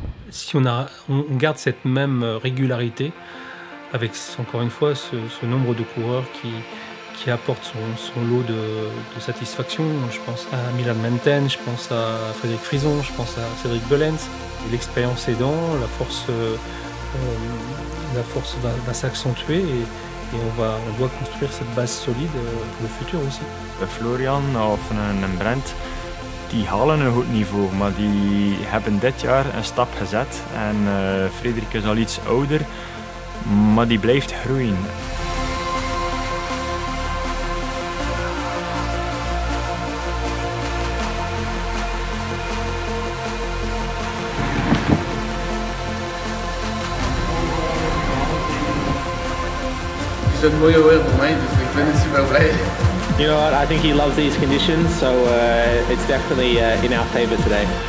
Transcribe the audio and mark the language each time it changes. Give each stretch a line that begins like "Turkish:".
French: Si on garde cette même régularité, avec encore une fois ce nombre de coureurs qui apportent son lot de satisfaction, je pense à Milan Menten, je pense à Frédéric Frison, je pense à Cédric Bellens. L'expérience aidant, la force va s'accentuer et on doit construire cette base solide pour le futur aussi.
Dutch: Florian of Brent. Die halen een goed niveau, maar die hebben dit jaar een stap gezet. En Frederik is al iets ouder, maar die blijft groeien. Het is een mooie weer voor mij, dus ik ben er super blij.
English: You know what, I think he loves these conditions, so it's definitely in our favour today.